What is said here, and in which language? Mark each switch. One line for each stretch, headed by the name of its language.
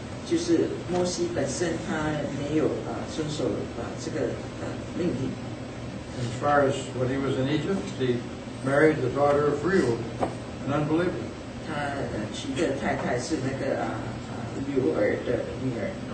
Chinese: 就是摩西本身他没有遵守这个命令。
English: As far as when he was in Egypt, he married the daughter of Reuel, an unbeliever.
Chinese: 他娶的太太是那个流儿的女儿。